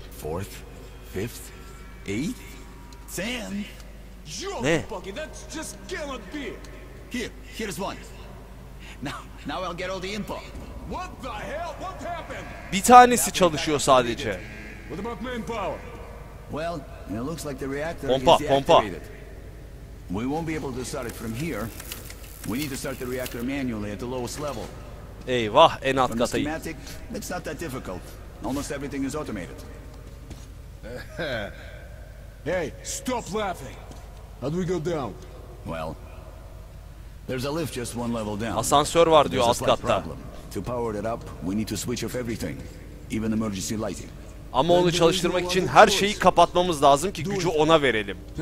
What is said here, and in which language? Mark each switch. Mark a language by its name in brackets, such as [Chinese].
[English] fourth. Fifth. Eighth. Ten. [Turkish] Ne? [English] That just cannot be. Here's one. Now I'll get all the info. What the hell? What happened? [Turkish] Bir tanesi çalışıyor sadece. [English] What about manpower? Well, it looks like the reactor [Turkish] pompa, [English] is deactivated. [Turkish] Pompa. [English] We won't be able to start it from here. We need to start the reactor manually at the lowest level. [Turkish] Eyvah, en alt katı. [English] Schematic, it's not that difficult. Almost everything is automated. Hey, stop laughing. How do we go down? Well, there's a lift just one level down. [Turkish] Asansör var diyor alt katta. [English] To power it up, we need to switch off everything, even emergency lighting. [Turkish] Ama onu çalıştırmak için her şeyi kapatmamız lazım ki gücü ona verelim.